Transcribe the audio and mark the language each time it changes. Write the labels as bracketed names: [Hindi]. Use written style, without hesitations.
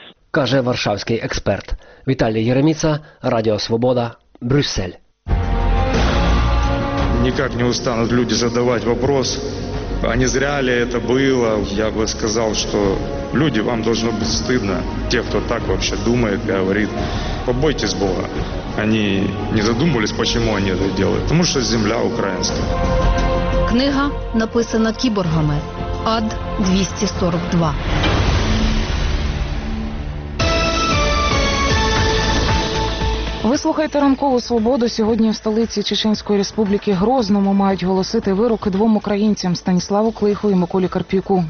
[Ukrainian] Каже варшавський експерт. Віталій Єреміця, Радіо Свобода, Брюссель. [Russian] Никак не устанут люди задавать вопрос, а не зря ли это было. Я бы сказал, что люди, вам должно быть стыдно, те, кто так вообще думает, говорит. Побойтесь Бога. Они не задумывались, почему они это делают. Потому что земля украинская. [Ukrainian] Книга написана кіборгами. Ад-242. Ви слухаєте «Ранкову свободу». Сьогодні в столиці Чеченської Республіки Грозному мають голосити вирок двом українцям – Станіславу Клиху і Миколі Карп'юку.